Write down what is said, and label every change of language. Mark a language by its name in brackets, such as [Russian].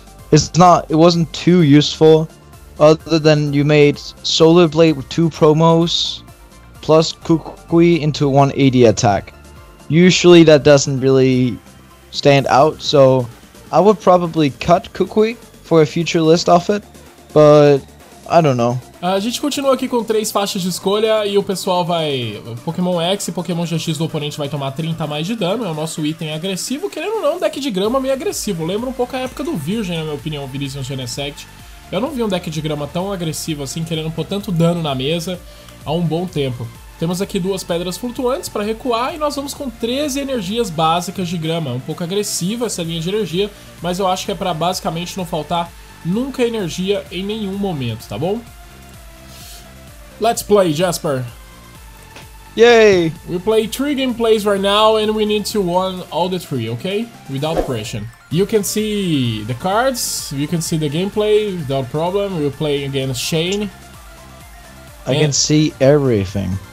[English] It wasn't too useful. Other than you made Solar Blade with 2 promos plus Kukui into 180 attack. Usually that doesn't really stand out, so I would probably cut Kukui for a future list of it, but I don't know. [Portuguese] A gente continua aqui com 3 faixas de escolha e o pessoal vai... Pokémon X e Pokémon GX do oponente vai tomar 30 a mais de dano, é o nosso item agressivo, querendo ou não, um deck de grama meio agressivo. Lembra um pouco a época do Virgin, na minha opinião, Virizion Genesect. Eu não vi um deck de grama tão agressivo assim, querendo pôr tanto dano na mesa há um bom tempo. Temos aqui 2 pedras flutuantes para recuar e nós vamos com 13 energias básicas de grama. Um pouco agressiva essa linha de energia, mas eu acho que é para basicamente não faltar nunca energia em nenhum momento, tá bom? [English] Let's play, Jasper! Yay! We play 3 gameplays right now and we need to win all the 3, okay? Without pressure. You can see the cards, you can see the gameplay, without problem, we're playing against Shane. I can see everything.